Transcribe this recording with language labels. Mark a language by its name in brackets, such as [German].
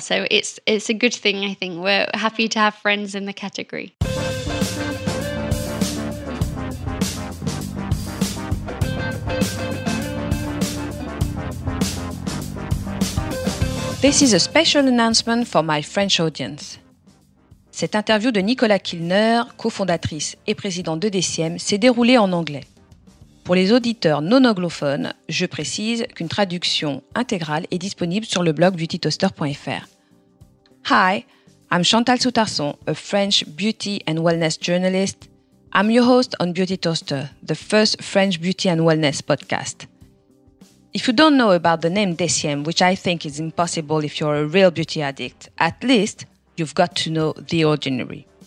[English] So it's a good thing, I think. We're happy to have friends in the category. This is a special announcement for my French audience. [French] Cette interview de Nicola Kilner, cofondatrice et présidente de Deciem, s'est déroulée en anglais. Pour les auditeurs non anglophones, je précise qu'une traduction intégrale est disponible sur le blog beautytoaster.fr. [English] Hi, I'm Chantal Soutarson, a French beauty and wellness journalist. I'm your host on Beauty Toaster, the first French beauty and wellness podcast. If you don't know about the name Deciem, which I think is impossible if you're a real beauty addict, at least you've got to know The Ordinary.